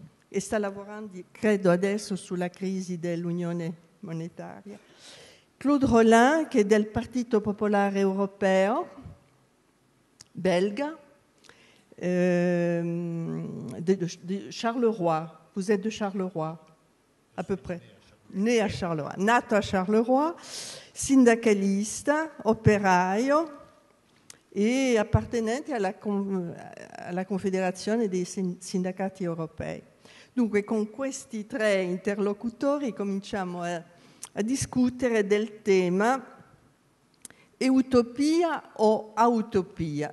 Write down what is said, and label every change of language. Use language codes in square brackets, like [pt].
[it] E sta lavorando, credo, adesso sulla crisi dell'Unione Monetaria. Claude Rollin, che è del Partito Popolare Europeo, belga, di Charleroi. [fr] Vous êtes de Charleroi, à peu près. Né à Charleroi. [it] Nato à Charleroi, sindacalista, operaio e appartenente alla Confederazione dei Sindacati Europei. Dunque, con questi tre interlocutori cominciamo a discutere del tema utopia o autopia.